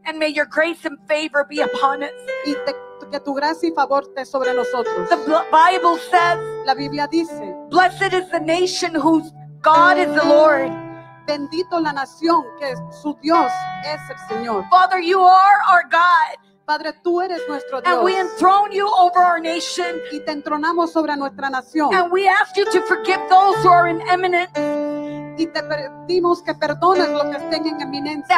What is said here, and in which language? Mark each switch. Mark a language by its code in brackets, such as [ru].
[en] And may your grace and favor be upon us. [es] Y te, que tu gracia y favor esté sobre nosotros. [en] The Bible says, [es] la Biblia dice, [en] blessed is the nation whose God is the Lord. [es] Bendito la nación que su Dios es el Señor. [en] Father, you are our God. [es] Padre, tú eres nuestro Dios. [en] And we enthrone you over our nation. [es] Y te entronamos sobre nuestra nación. [en] And we ask you to forgive those who are in eminence. [es] Y te pedimos que perdones los que estén en eminencia.